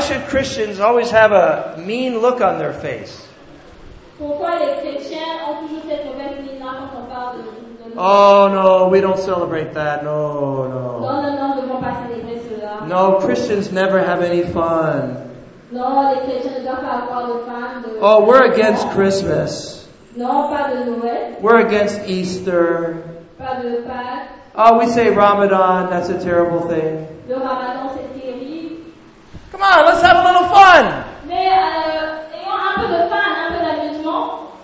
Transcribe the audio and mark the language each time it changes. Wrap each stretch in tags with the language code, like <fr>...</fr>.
<en>Why should Christians always have a mean look on their face?</en> <fr>Pourquoi les chrétiens ont toujours cette mauvaise mine là quand on parle de</fr> <en>Oh no, we don't celebrate that. No, no.</en> <fr>Non, ne vont pas célébrer cela.</fr> <en>No, Christians never have any fun.</en> <fr>Non, les chrétiens ne doivent pas avoir de fun.</fr> <en>Oh, we're against Christmas.</en> <fr>Non, pas de Noël.</fr> <en>We're against Easter.</en> <fr>Pas de Pâques.</fr> <en>Oh, we say Ramadan, that's a terrible thing.</en> <fr>Le Ramadan, c'est terrible.</fr> <en>Come on, let's have a little fun.</en> <fr>Mais ayons un peu de fun, un peu d'amusement.</fr>